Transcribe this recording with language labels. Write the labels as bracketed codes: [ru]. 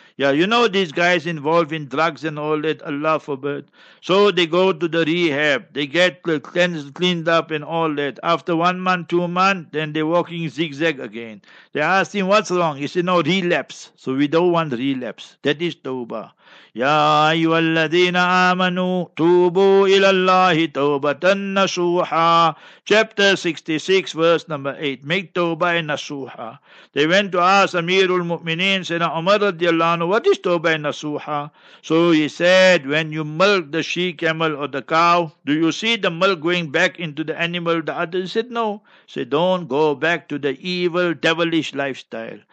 [en] Yeah, you know these guys involved in drugs and all that, Allah forbid. So they go to the rehab, they get cleaned up and all that. After 1 month, 2 months, then they're walking zigzag again. They ask him, what's wrong? He said, no, relapse. So we don't want relapse. That is Tawbah. [ar] يا أيها الذين آمنوا توبوا إلى الله توبة نصوحا. [en] Chapter 66, verse number 8. Make Tawbah Nasuha. They went to ask Amirul Mu'mineen, Sayyidina Umar radiallahu anhu, what is Tawbah Nasuha? So he said, when you milk the she camel or the cow, do you see the milk going back into the animal? The other said, no. Say, don't go back to the evil, devilish lifestyle.